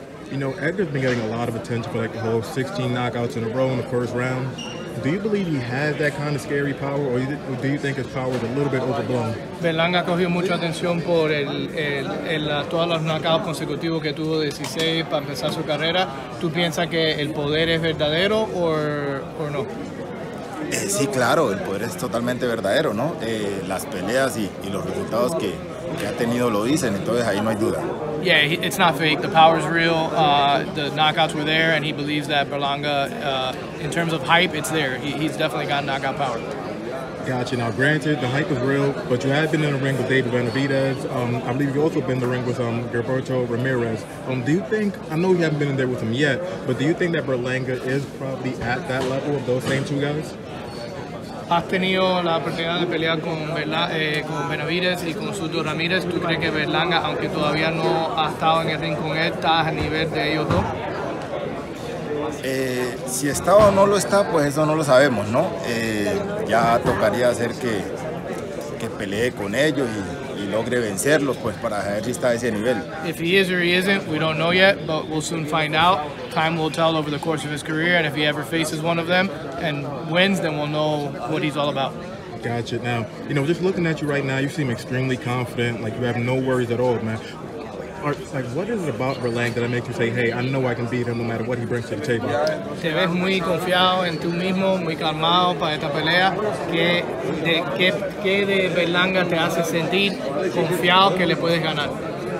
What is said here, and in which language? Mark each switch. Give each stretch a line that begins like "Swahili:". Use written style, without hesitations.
English: You know, Edgar's been getting a lot of attention for like the whole 16 knockouts in a row in the first round. Do you believe he has that kind of scary power, or do you think his power is a little bit overblown?
Spanish: Berlanga cogió mucha atención por el todos los knockouts consecutivos que tuvo 16 para empezar su carrera. ¿Tú piensas que el poder es verdadero o no? Sí, claro, el poder es totalmente verdadero, ¿no? Las peleas y los resultados que ha tenido lo dicen, entonces ahí no hay duda.
English: Yeah, it's not fake. The power is real. The knockouts were there, and he believes that Berlanga, in terms of hype, it's there. He's definitely got knockout power. Gotcha. Now, granted, the hype is real, but you have been in the ring with David Benavidez. I believe you've also been in the ring with Gilberto Ramirez. Do you think, I know you haven't been in there with him yet, but do you think that Berlanga is probably at that level of those same two guys?
Spanish: ¿Has tenido la oportunidad de pelear con Benavidez y con Suto Ramírez? ¿Tú crees que Berlanga, aunque todavía no ha estado en el ring con él, está a nivel de ellos dos? Si está o no lo está, pues eso no lo sabemos, ¿no? Ya tocaría hacer que pelee con ellos y logre vencerlos, pues para saber si está a ese nivel.
English: If he is or he isn't, we don't know yet, but we'll soon find out. Time will tell over the course of his career, and if he ever faces one of them and wins, then we'll know what he's all about. Gotcha. Now, you know, just looking at you right now, you seem extremely confident, like you have no worries at all, man. Like, what is it about Berlanga that makes you say, hey, I know I can beat him no matter what he brings to the table?
Spanish: Te ves muy confiado en tú mismo, muy calmado para esta pelea. ¿Qué de Berlanga te hace sentir confiado que le puedes ganar?